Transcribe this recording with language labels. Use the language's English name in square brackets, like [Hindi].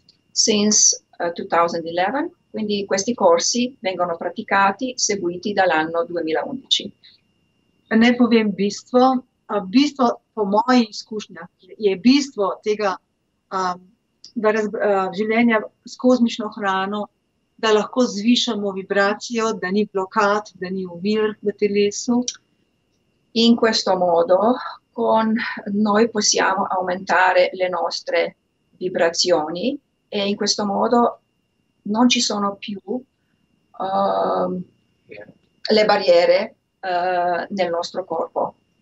[English] Since 2011, [Italian] quindi questi corsi vengono praticati, seguiti dall'anno 2011. [Slovenian] Ne povem bistvo, bistvo po mojih izkušnjah je bistvo tega, da življenja s kozmično hrano, da lahko zvišamo vibracijo, da ni blokad, da ni ovir v telesu. [Italian] In questo modo con noi possiamo aumentare le nostre vibrazioni e in questo modo non ci sono più le barriere nel nostro corpo.